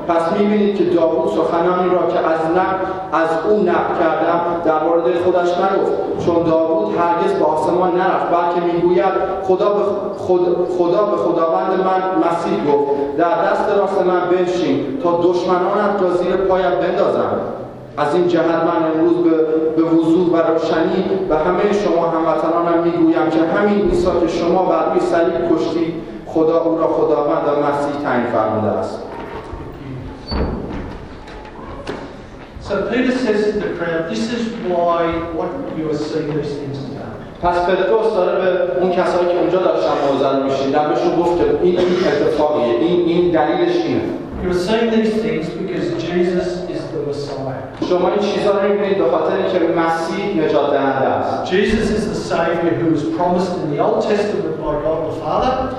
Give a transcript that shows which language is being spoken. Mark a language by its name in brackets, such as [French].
[Persian] پس می‌بینید که داوود سخنانی را که از او نقل کردم در مورد خودش نگفت، چون داوود هرگز به آسمان نرفت، بلکه می‌گوید خدا به خداوند من مسیح گفت در دست راست من بنشین تا دشمنانت را زیر پایت بندازم. از این جهت من امروز به وضوح و روشنی به همه شما هموطنانم می‌گویم که همین عیسی که شما بر روی صلیب کشتید، خدا او را خداوند و مسیح تعیین فرموده است. [English] So Peter says to the crowd, this is why what you are seeing these things are done. [Persian] پس پتروس داره به اون کسایی که اونجا داشتن موزن میشیدن بهشون گفت این اتفاقیه، این دلیلش اینه. [English] You are seeing these things because Jesus is the Messiah. [Persian] شما این چیزها رو میبینید به خاطر اینکه مسیح نجات دهنده است. [English] Jesus is the Savior who was promised in the Old Testament by God the Father.